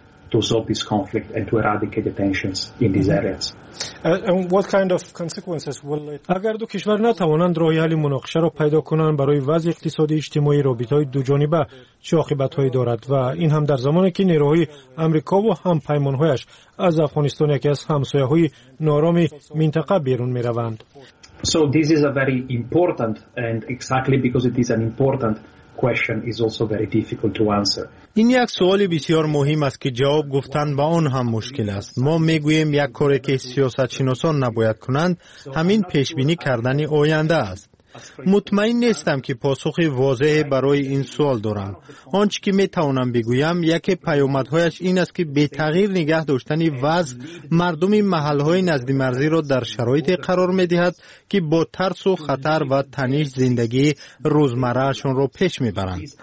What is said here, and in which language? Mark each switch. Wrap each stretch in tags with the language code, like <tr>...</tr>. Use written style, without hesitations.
<en>To solve this conflict and to eradicate the tensions in these areas. And what kind of consequences will it?</en> <fa>اگر دو کشور نتوانند راه حل مناقشه را پیدا کنند، برای وضع اقتصادی اجتماعی رابطه های دو جانبه چه عاقبت هایی دارد؟ و این هم در زمانی که نیروهای آمریکا و هم پیمان هایش از افغانستان، یکی از همسایه های نارام منطقه، بیرون می روند.</fa> <en>So this is a very important, and exactly because it is an important question, is also very difficult to answer.</en> <fa>این یک سوال بسیار مهم است که جواب گفتن با آن هم مشکل است. ما میگوییم یک کاری که سیاست شناسان نباید کنند همین پیشبینی کردن آینده است. مطمئن نیستم که پاسخ واضحی برای این سوال دارم. آنچه که میتوانم بگویم، یک پیامدهایش این است که به تغییر نگه داشتن وضع مردم محلهای نزد مرزی را در شرایط قرار میدهد که با ترس و خطر و تنش زندگی روزمرهشون را پیش میبرند.</fa>